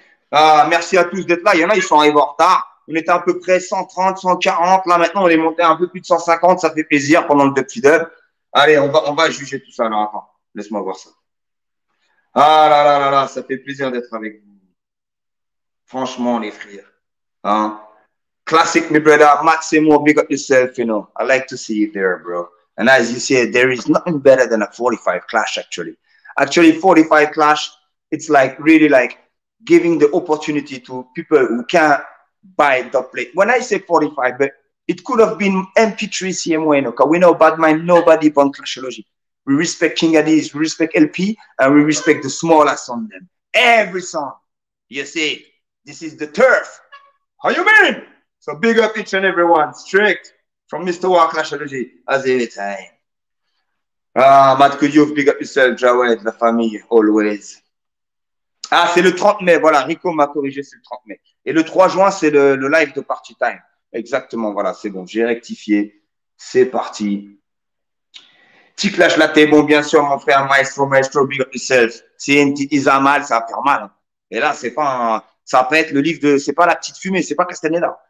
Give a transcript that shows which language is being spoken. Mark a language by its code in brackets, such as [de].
[fr] Merci à tous d'être là. Il y en a, ils sont arrivés en retard. On était à peu près 130, 140. Là, maintenant, on est monté un peu plus de 150. Ça fait plaisir pendant le dub feed up. Allez, on va juger tout ça. Alors, attends, laisse-moi voir ça. Ah là là là là, ça fait plaisir d'être avec vous. Franchement, les frères. Hein? [en] Classic, my brother, Maximo, big up yourself, you know. I like to see you there, bro. And as you said, there is nothing better than a 45 clash, actually. Actually, 45 clash, it's like really like giving the opportunity to people who can't buy the plate. When I say 45, but it could have been MP3 CMY, okay? We know bad mind, nobody on Clashology. We respect King Addis, we respect LP, and we respect the smallest on them. Every song, you see, this is the turf. How you been? So big up each and everyone, strict from Mr. War Clashology as any time. Ah, Matt, could you big up yourself, Jawed, [fr] la famille, [en] always. [fr] Ah, c'est le 30 mai, voilà, Rico m'a corrigé, c'est le 30 mai. Et le 3 juin, c'est le live de Party Time. Exactement, voilà, c'est bon, j'ai rectifié, c'est parti. Tic Clash Laté, bon, bien sûr, mon frère, maestro, [en] big up yourself. [fr] C'est un petit Isamal, ça va faire mal. Et là, c'est pas ça va être le livre de, c'est pas la petite fumée, c'est pas Castaneda.